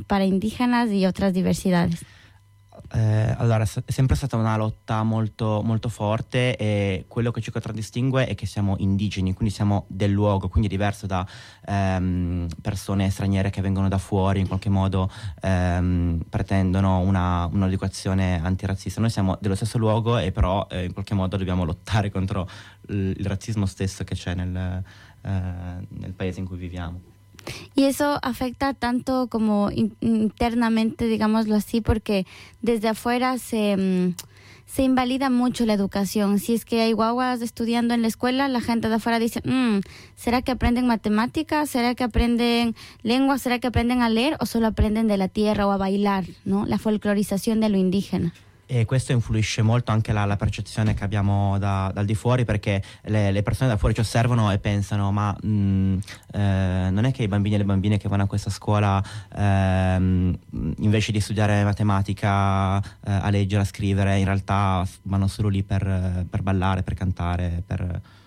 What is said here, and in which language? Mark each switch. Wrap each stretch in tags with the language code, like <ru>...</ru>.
<es>Para indígenas y otras diversidades.</es> <it>Allora, è sempre stata una lotta molto, molto forte, e quello che ci contraddistingue è che siamo indigeni, quindi siamo del luogo, quindi diverso da persone straniere che vengono da fuori, in qualche modo pretendono un'educazione antirazzista. Noi siamo dello stesso luogo, e però in qualche modo dobbiamo lottare contro il razzismo stesso che c'è nel paese in cui viviamo.</it> <es>Y eso afecta tanto como internamente, digámoslo así, porque desde afuera se invalida mucho la educación. Si es que hay guaguas estudiando en la escuela, la gente de afuera dice, ¿será que aprenden matemáticas? ¿Será que aprenden lengua? ¿Será que aprenden a leer? ¿O solo aprenden de la tierra o a bailar, ¿no? La folclorización de lo indígena.</es> <it>E questo influisce molto anche la percezione che abbiamo dal di fuori, perché le persone da fuori ci osservano e pensano, ma non è che i bambini e le bambine che vanno a questa scuola invece di studiare matematica, a leggere, a scrivere, in realtà vanno solo lì per ballare, per cantare, per...</it>